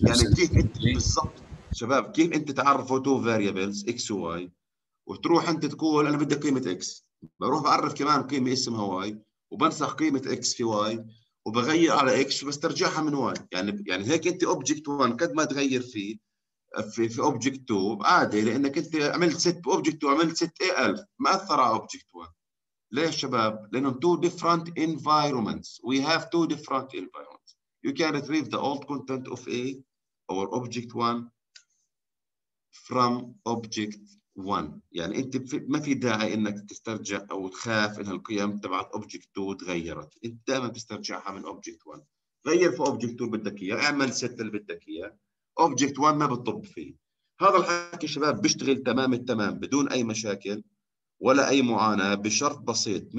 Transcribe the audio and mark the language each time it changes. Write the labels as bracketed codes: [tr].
[ar] يعني كيف انت بالضبط شباب، كيف انت تعرفوا [en] two variables [ar] اكس وواي وتروح انت تقول انا بدي قيمه اكس، بروح بعرف كمان قيمه اسمها واي وبنسخ قيمه اكس في واي وبغير على اكس وبسترجعها من واي. يعني هيك انت اوبجكت 1 قد ما تغير فيه في اوبجكت 2 عادي، لانك انت عملت ست اوبجكت 2 عملت ست اي 1000 ما اثر على اوبجكت 1. ليه شباب؟ لأنهم [en] two different environments. We have two different environments. You can retrieve the old content of A, our object one, from object one. [ar] يعني أنت ما في داعي أنك تسترجع أو تخاف أن القيم تبع object two تغيرت. أنت دائما تسترجعها من object one. غير في object two بدك إياه. اعمل set اللي بدك إياه. Object one ما بتطب فيه. هذا الحكي شباب بيشتغل تمام التمام بدون أي مشاكل ولا اي معاناه بشرط بسيط.